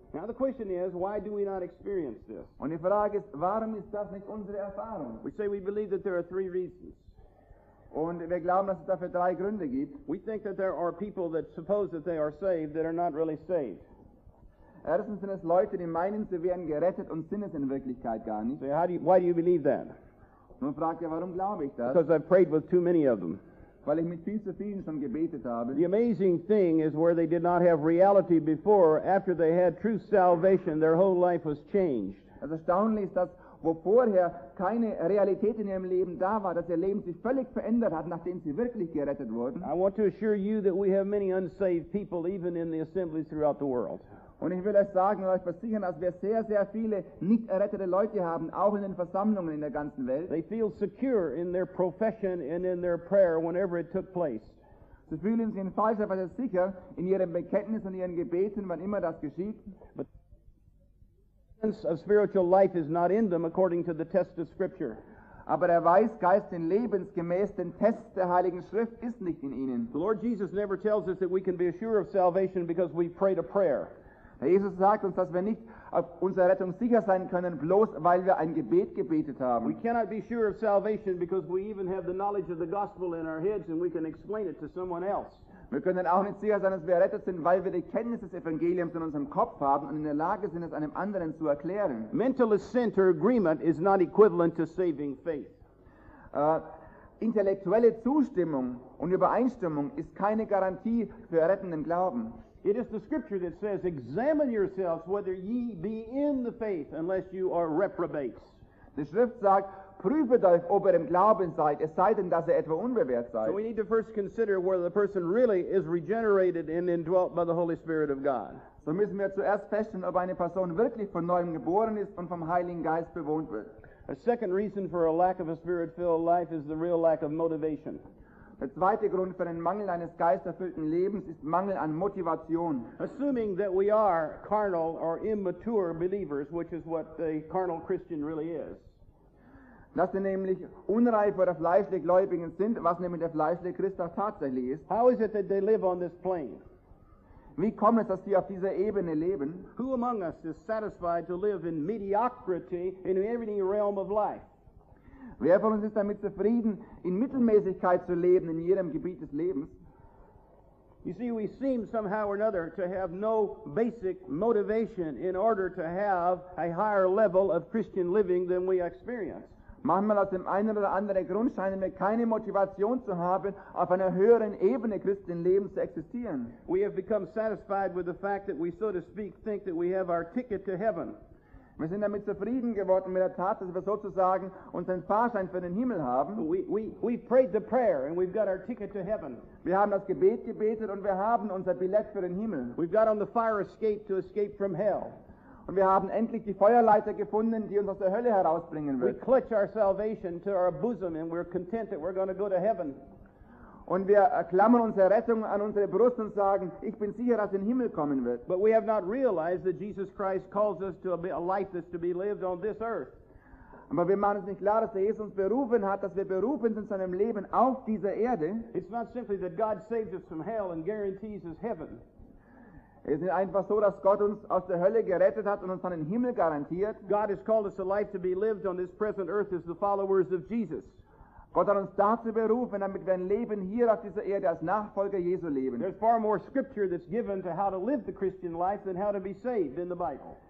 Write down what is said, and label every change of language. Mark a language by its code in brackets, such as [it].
[en] Now the question is, why do we not experience this? [de] Und die Frage ist, warum ist das nicht unsere Erfahrung? [en] We say we believe that there are three reasons. [de] Und wir glauben, dass es dafür drei Gründe gibt. [en] We think that there are people that suppose that they are saved that are not really saved. [de] Erstens sind es Leute, die meinen, sie werden gerettet und sind es in Wirklichkeit gar nicht. [en] So why do you believe that? [de] Nun fragt ihr, warum glaube ich das? [en] Because I've prayed with too many of them. [de] Weil ich mit viel zu vielen schon gebetet habe. [en] The amazing thing is where they did not have reality before, after they had true salvation, their whole life was changed. [de] Das Erstaunliche ist, dass wo vorher keine Realität in ihrem Leben da war, dass ihr Leben sich völlig verändert hat, nachdem sie wirklich gerettet wurden. [en] I want to assure you that we have many unsaved people, even in the assemblies throughout the world. [de] Und ich will euch sagen und euch versichern, dass wir sehr, sehr viele nicht errettete Leute haben, auch in den Versammlungen in der ganzen Welt. [en] They feel secure in their profession and in their prayer whenever it took place. [de] Sie fühlen sich in falscher Weise sicher in ihrem Bekenntnis und ihren Gebeten, wann immer das geschieht. [en] But the sense of spiritual life is not in them according to the test of Scripture. [de] Aber der Weisgeist in lebensgemäß den Test der Heiligen Schrift ist nicht in ihnen. [en] The Lord Jesus never tells us that we can be sure of salvation because we prayed a prayer. [de] Der Jesus sagt uns, dass wir nicht auf unsere Rettung sicher sein können, bloß weil wir ein Gebet gebetet haben. [en] We cannot be sure of salvation because we even have the knowledge of the gospel in our heads and we can explain it to someone else. [de] Wir können auch nicht sicher sein, dass wir errettet sind, weil wir die Kenntnis des Evangeliums in unserem Kopf haben und in der Lage sind, es einem anderen zu erklären. [en] Mental assent or agreement is not equivalent to saving faith. [de] Intellektuelle Zustimmung und Übereinstimmung ist keine Garantie für rettenden Glauben. [en] It is the scripture that says, examine yourselves whether ye be in the faith unless you are reprobates. [de] Die Schrift sagt, prüfet euch, ob ihr im Glauben seid, es sei denn, dass ihr etwa unbewehrt seid. [en] So we need to first consider whether the person really is regenerated and indwelt by the Holy Spirit of God. [de] So müssen wir zuerst feststellen, ob eine Person wirklich von neuem geboren ist und vom Heiligen Geist bewohnt wird. [en] A second reason for a lack of a spirit-filled life is the real lack of motivation. [de] Der zweite Grund für den Mangel eines geisterfüllten Lebens ist Mangel an Motivation. [en] Assuming that we are carnal or immature believers, which is what a carnal Christian really is. [de] Dass sie nämlich unreif oder fleischlich Gläubigen sind, was nämlich der fleischliche Christ auch tatsächlich ist. [en] How is it that they live on this plane? [de] Wie kommt es, dass sie auf dieser Ebene leben? [en] Who among us is satisfied to live in mediocrity in every realm of life? [de] Wer von uns ist damit zufrieden, in Mittelmäßigkeit zu leben in jedem Gebiet des Lebens? [en] You see, we seem somehow or another to have no basic motivation in order to have a higher level of Christian living than we experience. [de] Manchmal aus dem einen oder anderen Grund scheinen wir keine Motivation zu haben, auf einer höheren Ebene christlichen Lebens zu existieren. [en] We have become satisfied with the fact that we, so to speak, think that we have our ticket to heaven. [de] Wir sind damit zufrieden geworden mit der Tat, dass wir sozusagen unseren Fahrschein für den Himmel haben. [en] We prayed the prayer and we've got our ticket to heaven. [de] Wir haben das Gebet gebetet und wir haben unser Billett für den Himmel. [en] We've got on the fire escape to escape from hell. [de] Und wir haben endlich die Feuerleiter gefunden, die uns aus der Hölle herausbringen wird. [en] We clutch our salvation to our bosom and we're content that we're going to go to heaven. [de] Und wir klammern unsere Rettung an unsere Brust und sagen, ich bin sicher, dass in den Himmel kommen wird. [en] But we have not realized that Jesus Christ calls us to a life that's to be lived on this earth. [de] Aber wir machen es nicht klar, dass Jesus uns berufen hat, dass wir berufen sind zu einem Leben auf dieser Erde. [en] It's not simply that God saves us from hell and guarantees us heaven. [de] Es ist nicht einfach so, dass Gott uns aus der Hölle gerettet hat und uns dann den Himmel garantiert. [en] God has called us a life to be lived on this present earth as the followers of Jesus. [de] Gott hat uns dazu berufen, damit wir ein Leben hier auf dieser Erde als Nachfolger Jesu leben. [en] There's far more scripture that's given to how to live the Christian life than how to be saved in the Bible.